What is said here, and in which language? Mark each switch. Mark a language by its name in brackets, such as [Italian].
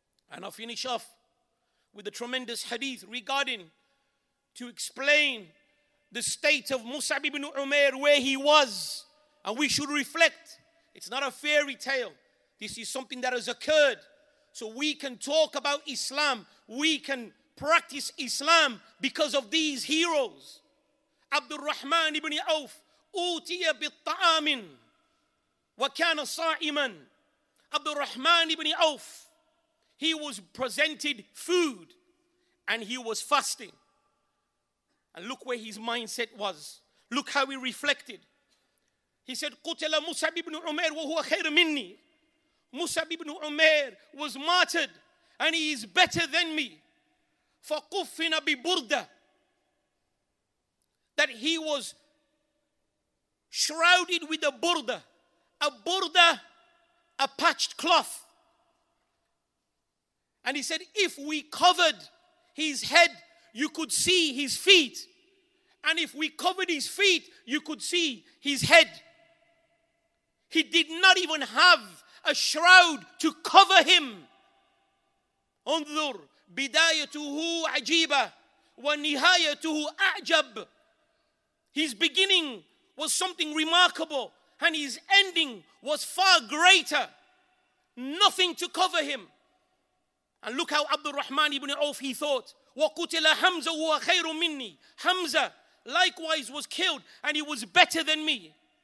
[English] And I'll finish off with a tremendous hadith regarding to explain the state of Musab ibn Umair, where he was. And we should reflect. It's not a fairy tale. This is something that has occurred. So we can talk about Islam. We can practice Islam because of these heroes. Abdur-Raḥmān ibn Awf. [Arabic] أُوتِيَ بِالطَّعَامٍ وَكَانَ صَائِمًا. [English] Abdur-Raḥmān ibn Awf, he was presented food and he was fasting. And look where his mindset was. Look how he reflected. He said, [Arabic] "Qutila Musab ibn Umair wa huwa khayr minni." [English] Musab ibn Umair was martyred and he is better than me. [Arabic] Faqufina bi burda. [English] That he was shrouded with a burda. A burda, a patched cloth. And he said, if we covered his head, you could see his feet. And if we covered his feet, you could see his head. He did not even have a shroud to cover him. [Arabic] انظر بدايته عجيبة ونهايته أعجب. [English] His beginning was something remarkable and his ending was far greater. Nothing to cover him. And look how Abdur-Raḥmān ibn Auf, he thought, [Arabic] وَقُتِلَ حَمْزَ هُوَ خَيْرٌ مِنِّي. [English] Hamza likewise was killed and he was better than me.